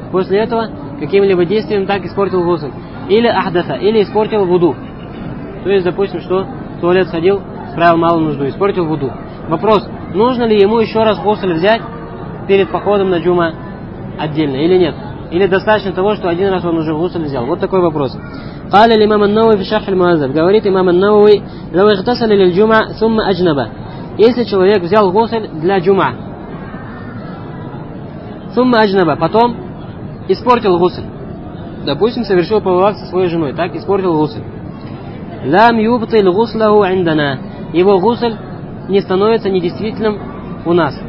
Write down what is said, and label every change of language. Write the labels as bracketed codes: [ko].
[ru] После этого каким-либо действием так испортил гусль. Или ахдаса, или испортил вуду. То есть, допустим, что в туалет сходил, справил малую нужду, испортил вуду. Вопрос, нужно ли ему еще раз гусль взять перед походом на джума отдельно или нет? Или достаточно того, что один раз он уже гусль взял? Вот такой вопрос. [ar] قال الإمام النووي في شرح المؤذب. [ru] Говорит имам ан-Науи, [ar] لو اغتسل للجمعة ثم أجنب. [ru] Если человек взял гусль для джума, [ar] ثم أجنب, [ru] потом испортил гусль. Допустим, совершил поворот со своей женой, так, испортил гусль. [ar] لم يبطل غسله عندنا. [ru] Его гусль не становится недействительным у нас.